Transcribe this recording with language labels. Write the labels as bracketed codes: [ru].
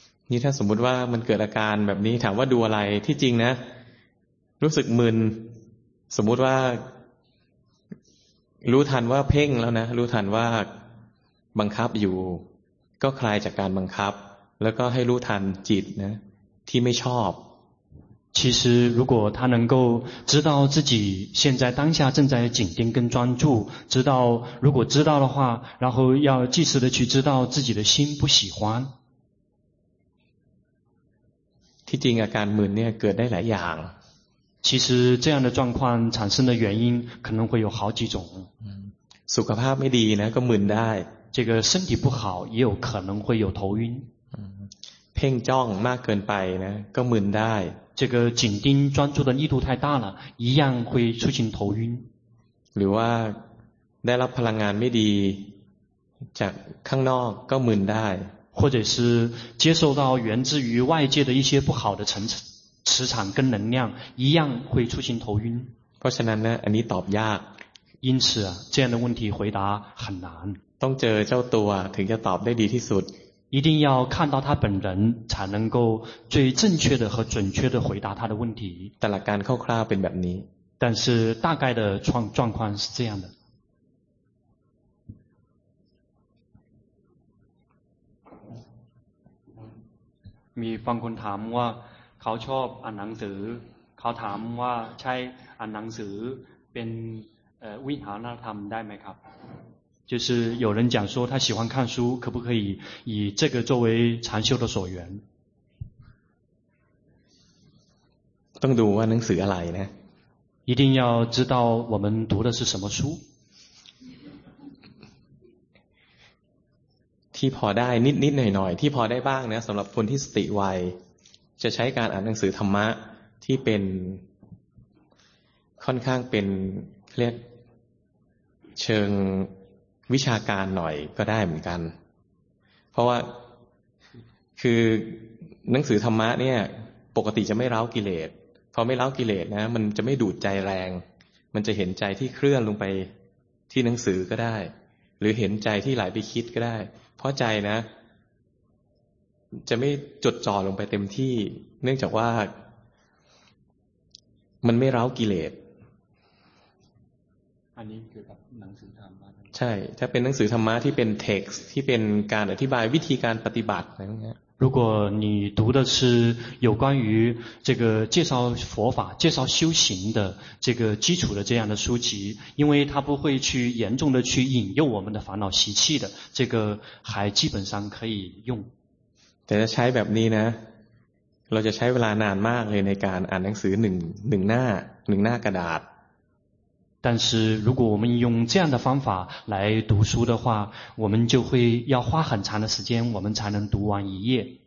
[th] นี่ถ้าสมมติว่ามันเกิดอาการแบบนี้ถามว่าดูอะไรที่จริงนะรู้สึกมึนสมมติว่ารู้ทันว่าเพ่งแล้วนะรู้ทันว่าบังคับอยู่ก็คลายจากการบังคับแล้วก็ให้รู้ทันจิตนะที่ไม่ชอบ [zh] 其实如果他能够知道自己现在当下正在紧盯跟专注，知道如果知道的话，然后要及时的去知道自己的心不喜欢。 [th] ที่จริงอาการมึนเนี่ยเกิดได้หลายอย่าง [zh] 其实这样的状况产生的原因可能会有好几种 [th] สุขภาพไม่ดีนะก็มึนได้ [zh] 这个身体不好也有可能会有头晕 [th] เพ่งจ้องมากเกินไปนะก็มึนได้ [zh] 这个紧盯专注的力度太大了一样会出现头晕 [th] หรือว่าได้รับพลังงานไม่ดีจากข้างนอกก็มึนได้ [zh] 或者是接受到源自于外界的一些不好的磁场跟能量，一样会出现头晕。 [th] เพราะฉะนั้นอันนี้ตอบยาก。 [zh] 因此啊，这样的问题回答很难。 [th] ต้องเจอเจ้าตัวถึงจะตอบได้ดีที่สุด。 [zh] 一定要看到他本人才能够最正确的和准确的回答他的问题。 [th] แต่หลักการคร่าวๆเป็นแบบนี้。 [zh] 但是大概的状况是这样的。 [th] มีบางคนถามว่าเขาชอบอ่านหนังสือเขาถามว่าใช่อ่านหนังสือเป็น วิหารธรรมได้ไหมครับ [zh] 就是有人讲说他喜欢看书可不可以以这个作为禅修的所缘 [th] ต้องดูว่าหนังสืออะไรนะ [zh] 一定要知道我们读的是什么书 [th] ที่พอได้นิดนิดหน่อยหน่อยที่พอได้บ้างนะสำหรับคนที่สติไวจะใช้การอ่านหนังสือธรรมะที่เป็น ค่อนข้างเป็นเรียกเชิงวิชาการหน่อยก็ได้เหมือนกันเพราะว่าคือหนังสือธรรมะเนี่ยปกติจะไม่เร้ากิเลสพอไม่เร้ากิเลสนะมันจะไม่ดูดใจแรงมันจะเห็นใจที่เคลื่อนลงไป ที่หนังสือก็ได้หรือเห็นใจที่ไหลไปคิดก็ได้เพราะใจนะจะไม่จดจ่อลงไปเต็มที่เนื่องจากว่ามันไม่เร้ากิเลส อันนี้คือแบบหนังสือธรรมะ ใช่ถ้าเป็นหนังสือธรรมะที่เป็นเท็กซ์ที่เป็นการอธิบายวิธีการปฏิบัติอะไรพวกนี้ [zh] 如果你读的是有关于这个介绍佛法、介绍修行的这个基础的这样的书籍，因为它不会去严重的去引诱我们的烦恼习气的，这个还基本上可以用。 [th] แต่จะใช้แบบนี้นะเราจะใช้เวลานานมากเลยในการอ่านหนังสือหนึ่งหน้ากระดาษ [zh] 但是如果我们用这样的方法来读书的话我们就会要花很长的时间我们才能读完一页